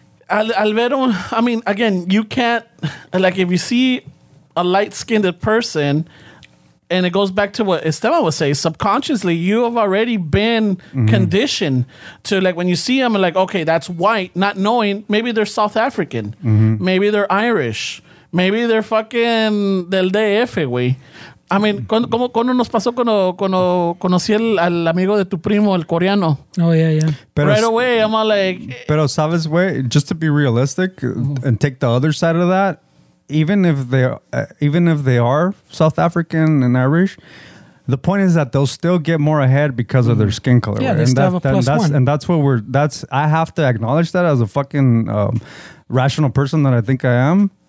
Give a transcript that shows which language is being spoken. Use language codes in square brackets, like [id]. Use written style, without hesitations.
[en] Alvero, I mean, again, you can't, like, if you see a light-skinned person, and it goes back to what Esteban would say, subconsciously, you have already been conditioned to, like, when you see them, like, okay, that's white, not knowing, maybe they're South African, maybe they're Irish, maybe they're fucking [es] del DF, güey. [en] I mean, [es] ¿cómo nos pasó cuando conocí al amigo de tu primo, el coreano? [en] Oh, yeah, yeah. Pero, right away, I'm all like... [es] Pero, ¿sabes, güey? [en] Just to be realistic and take the other side of that, even if they are South African and Irish, the point is that they'll still get more ahead because of their skin color. Yeah, right? And that's I have to acknowledge that as a fucking rational person that I think I am.